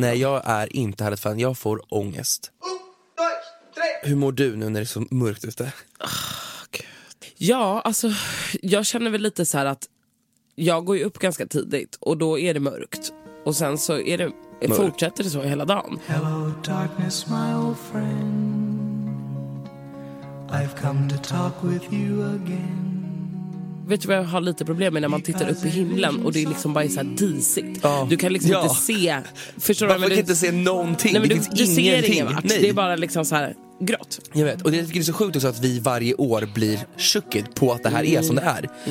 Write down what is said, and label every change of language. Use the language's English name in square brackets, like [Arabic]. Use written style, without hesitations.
[Swedish] Nej, jag är inte heller fan, jag får ångest. Hur mår du nu när det är så mörkt ute? Oh, ja, alltså jag känner väl lite så här att jag går ju upp ganska tidigt och då är det mörkt. Och sen så är det mörkt. Fortsätter det så hela dagen. [English] Hello darkness my old friend, I've come to talk with you again. [Swedish] Vet du vad jag har lite problem med? När man tittar upp i himlen och det är liksom bara så här disigt. Du kan liksom inte se. Förstår varför du? Man kan inte se någonting. Nej, men du ser ingenting. Det är bara liksom så här grått. Jag vet. Och det är så sjukt också att vi varje år blir chockade på att det här är som det är.